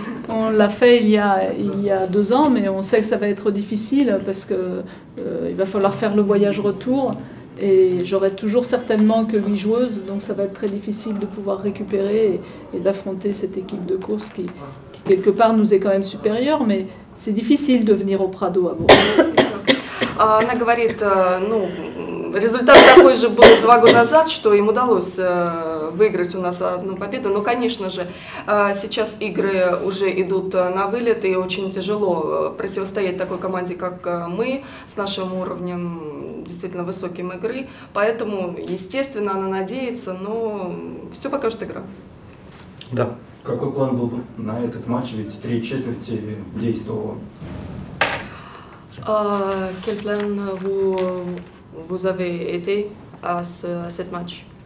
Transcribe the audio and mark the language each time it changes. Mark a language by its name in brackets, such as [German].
[French] on l'a fait il y a deux ans, mais on sait que ça va être difficile parce que il va falloir faire le voyage retour et j'aurai toujours certainement que 8 joueuses, donc ça va être très difficile de pouvoir récupérer et d'affronter cette équipe de course qui quelque part nous est quand même supérieure, mais c'est difficile de venir au Prado à Bourg. [Russian] Она говорит, ну, результат такой же был 2 года назад, что им удалось выиграть у нас одну победу. Но, конечно же, сейчас игры уже идут на вылет, и очень тяжело противостоять такой команде, как мы, с нашим уровнем действительно высоким игры. Поэтому, естественно, она надеется, но все покажет игра. Да. Какой план был на этот матч? Ведь 3/4 действовало. [French] Quel plan vous avez été à ce match?